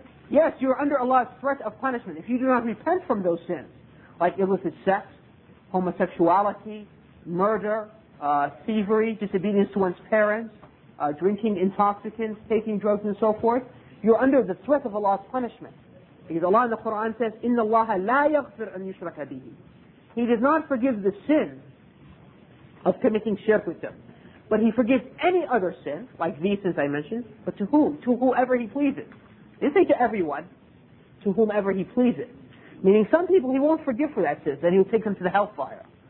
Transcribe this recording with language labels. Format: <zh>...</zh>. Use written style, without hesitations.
<en>Yes, you're under Allah's threat of punishment. If you do not repent from those sins, like illicit sex, homosexuality, murder, thievery, disobedience to one's parents, drinking intoxicants, taking drugs and so forth, you're under the threat of Allah's punishment. Because Allah in the Quran says,</en> <ar>إِنَّ اللَّهَ لَا يَغْفِرْ أَنْ يُشْرَكَ بِهِ.</ar> <en>He does not forgive the sin of committing shirk with them. But He forgives any other sin, like these as I mentioned, but to whom? To whoever He pleases. He doesn't say to everyone, to whomever He pleases. Meaning some people He won't forgive for that sin, then He'll take them to the hellfire.</en>